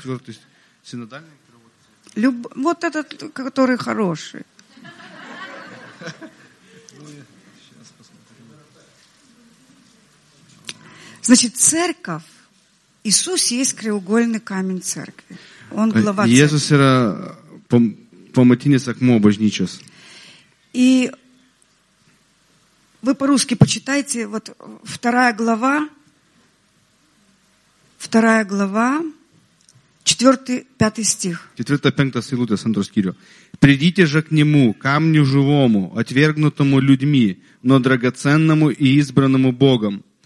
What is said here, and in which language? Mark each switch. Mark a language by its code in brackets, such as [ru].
[ru] Четвертый стих. Синодальный перевод. Вот этот, который хороший. Значит, церковь, Иисус есть краеугольный камень церкви. Он глава церкви. [lt] Иисус yra pamatinis akmuo bažnyčios. [ru] И вы по-русски почитайте, вот вторая глава, 2 глава, 4-5 стих. 4-5 стих, Сандро Скирио. «Придите же к нему, камню живому, отвергнутому людьми, но драгоценному и избранному Богом.